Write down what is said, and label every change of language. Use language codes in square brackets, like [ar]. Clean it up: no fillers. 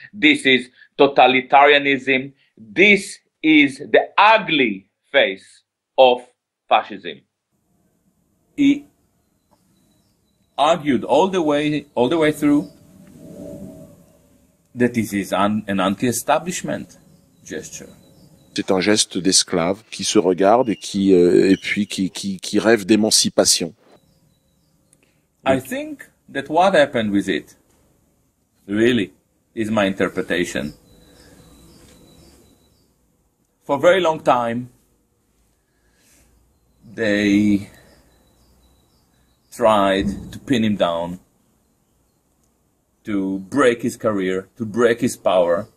[en] This is totalitarianism. This is the ugly face of fascism. He argued all the way through that this is an anti-establishment gesture. [fr] C'est un geste d'esclave qui se regarde et qui rêve d'émancipation. [en] I think that what happened with it, really, is my interpretation. For a very long time, they tried to pin him down, to break his career, to break his power.